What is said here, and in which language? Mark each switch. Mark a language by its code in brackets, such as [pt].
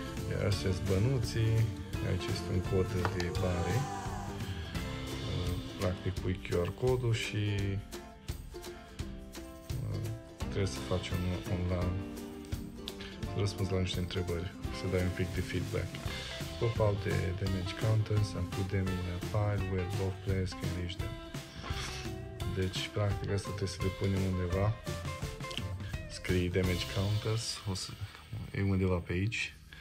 [ro] Iar astea sunt bănuții, aici este un cod de bare. Practic pui QR codul și trebuie să faci un la... răspuns la niște întrebări, să dai un pic de feedback. [en] Pop out the damage counters and put them in a pile where both players can reach them. [ro] Deci, practic, asta trebuie să le punem undeva. Scrie damage counters, e undeva pe aici.